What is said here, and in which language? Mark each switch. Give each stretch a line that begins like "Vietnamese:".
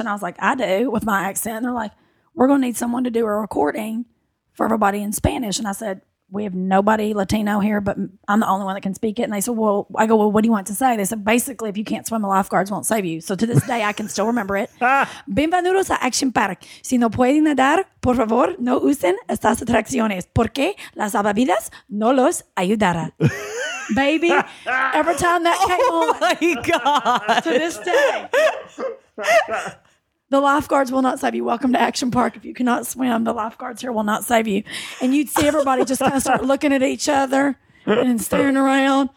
English: And I was like, I do with my accent. And they're like, we're going to need someone to do a recording for everybody in Spanish. And I said, we have nobody Latino here, but I'm the only one that can speak it. And they said, well, what do you want to say? They said, basically, if you can't swim, the lifeguards won't save you. So to this day, I can still remember it.
Spanish: Bienvenidos a Action Park. Si no pueden nadar, por favor, no usen estas atracciones. Porque las salvavidas no los ayudará.
English: Baby, every time that came on. Oh, my God. To this day. The lifeguards will not save you. Welcome to Action Park. If you cannot swim, the lifeguards here will not save you. And you'd see everybody just kind of start looking at each other and staring around.